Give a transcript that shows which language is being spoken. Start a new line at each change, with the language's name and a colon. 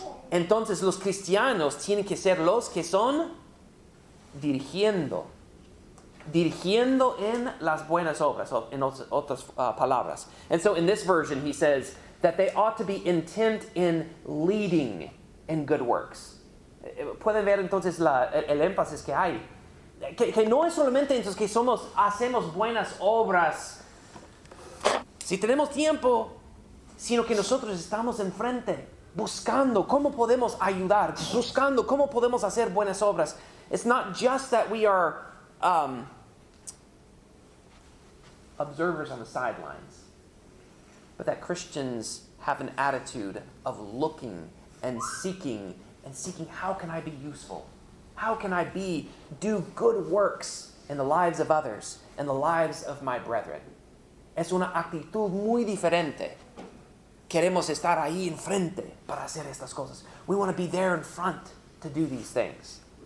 Spanish: Entonces, los cristianos tienen que ser los que son dirigiendo. Dirigiendo en las buenas obras, o en otras palabras.
English: And so, in this version, he says that they ought to be intent in leading in good works.
Spanish: Pueden ver entonces el énfasis que hay. Que no es solamente entonces que hacemos buenas obras si tenemos tiempo, sino que nosotros estamos enfrente, buscando cómo podemos ayudar, buscando cómo podemos hacer buenas obras.
English: It's not just that we are observers on the sidelines, but that Christians have an attitude of looking and seeking how can I be useful? How can I do good works in the lives of others, in the lives of my brethren?
Spanish: Es una actitud muy diferente. Queremos estar ahí enfrente para hacer estas cosas.
English: We want to be there in front to do these things.